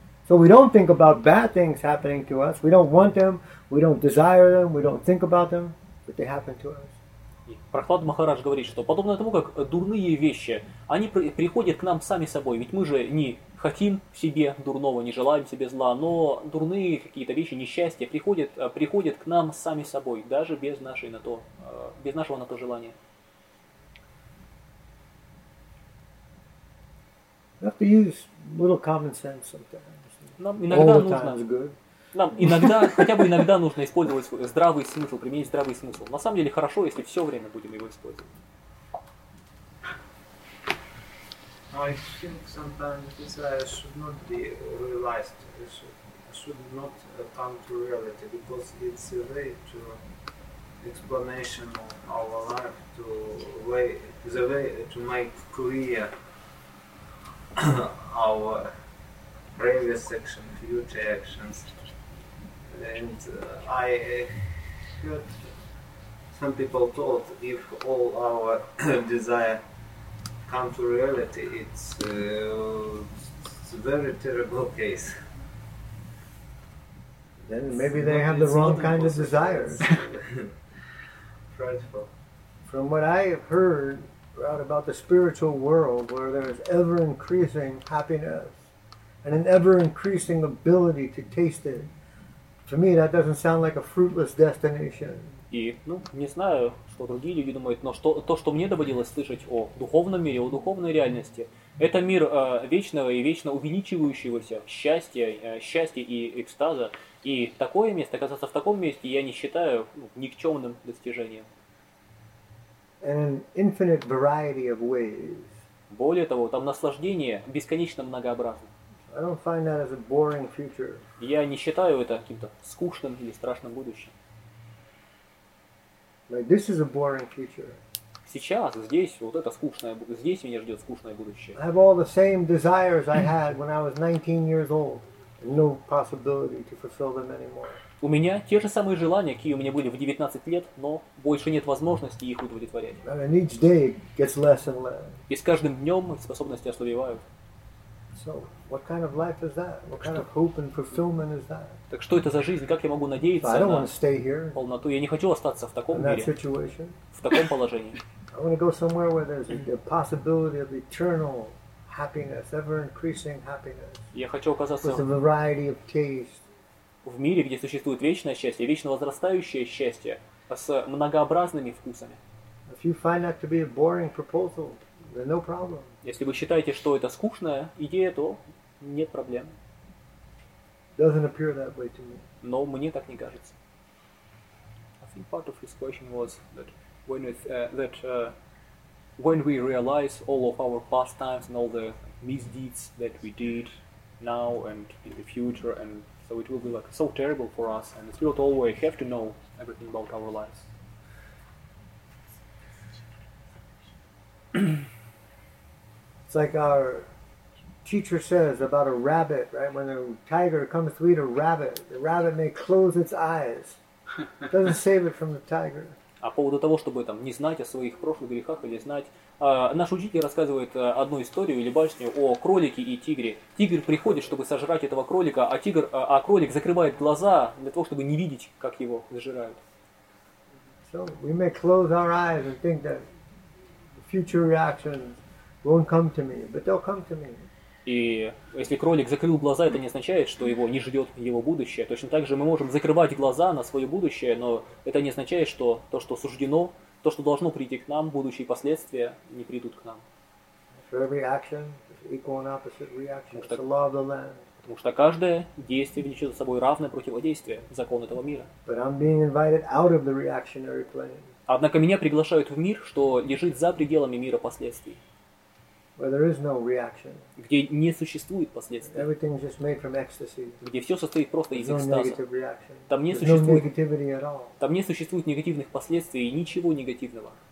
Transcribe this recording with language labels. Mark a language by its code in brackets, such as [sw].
[en] So we don't think about bad things happening to us. We don't want them. We don't desire them. We don't think about them. But they happen to us. [ru] Прохлад Махарадж говорит, что подобно тому, как дурные вещи, они приходят к нам сами собой, ведь мы же не хотим себе дурного, не желаем себе зла, но дурные какие-то вещи, несчастья приходят к нам сами собой, даже без нашей на то, без нашего на то желания. You have to use a little common sense sometimes. Нам иногда нужно... Нам иногда, хотя бы иногда нужно использовать здравый смысл, применить здравый смысл. На самом деле хорошо, если все время будем его использовать. [en] I think sometimes this should not be realized, should not come to reality, because it's a way to explanation of our life, to way, the way to make clear our previous action, future actions. And I heard some people thought if all our desire come to reality, it's a very terrible case. Then maybe it's they not, have the wrong kind of desires. Frightful. From what I have heard throughout about the spiritual world, where there is ever increasing happiness and an ever increasing ability to taste it. To me, that doesn't sound like a fruitless destination. [ru] И, ну, не знаю, что другие люди думают, но что, то, что мне доводилось слышать о духовном мире, о духовной реальности, это мир вечного и вечно увеличивающегося счастья, счастья и экстаза. И такое место, оказаться в таком месте, я не считаю никчемным достижением. [en] And an infinite variety of ways. [ru] Более того, там наслаждение бесконечно многообразно. [en] I don't find that as a boring future. [ru] Я не считаю это каким-то скучным или страшным будущим. [en] Like this is a boring future. [ru] Сейчас здесь вот это скучное, здесь меня ждет скучное будущее. [en] I have all the same desires I had when I was 19 years old. No possibility to fulfill them anymore. [ru] У меня те же самые желания, какие у меня были в 19 лет, но больше нет возможности их удовлетворять. [en] And each day gets less and less. [ru] И с каждым днем способности ослабевают. [en] So, what kind of life is that? What kind of hope and fulfillment is that? [ru] Так что это за жизнь? Как я могу надеяться на полноту? Я не хочу остаться в таком мире, [en] situation. [ru] В таком положении. [en] I want to go somewhere where there's the possibility of eternal happiness, ever-increasing happiness. [ru] Я хочу оказаться [en] with a variety of taste. [ru] В мире, где существует вечное счастье, вечно возрастающее счастье с многообразными вкусами. [en] If you find that to be a boring proposal, then no problem. [ru] Если вы считаете, что это скучная идея, то нет проблем. [en] Doesn't appear that way to me. [ru] Но мне так не кажется. [en] I think part of his question was that when it, that when we realize all of our pastimes and all the misdeeds that we did now and in the future, and so it will be like so terrible for us, and it's not all we have to know everything about our lives. It's like our teacher says about a rabbit, right? When a tiger comes to eat a rabbit, the rabbit may close its eyes. It doesn't save it from the tiger. [ru] А по поводу того, чтобы там не знать о своих прошлых грехах или знать, наш учитель рассказывает одну историю или басню о кролике и тигре. Тигр приходит, чтобы сожрать этого кролика, а тигр, а кролик закрывает глаза для того, чтобы не видеть, как его сожирают. [en] So we may close our eyes and think that the future reactions won't come to me, but they'll come to me. [ru] И если кролик закрыл глаза, это не означает, что его не ждет его будущее. Точно так же мы можем закрывать глаза на свое будущее, но это не означает, что то, что суждено, то, что должно прийти к нам, будущие последствия не придут к нам. [en] For every action, equal and opposite reaction. It's the law of the land. [ru] Потому что каждое действие влечет за собой равное противодействие, закон этого мира. [en] But I'm being invited out of the reactionary plane. [ru] Однако меня приглашают в мир, что лежит за пределами мира последствий. [en] Where there is no reaction. [ru] Где не существует последствий. [en] Everything is just made from ecstasy. [ru] Где все состоит просто [en] There's [ru] из экстаза. [en] No negative reaction. [ru] Там не [en] There's [ru] существует... [en] no negativity at all. [ru] Там не существует негативных последствий и ничего негативного.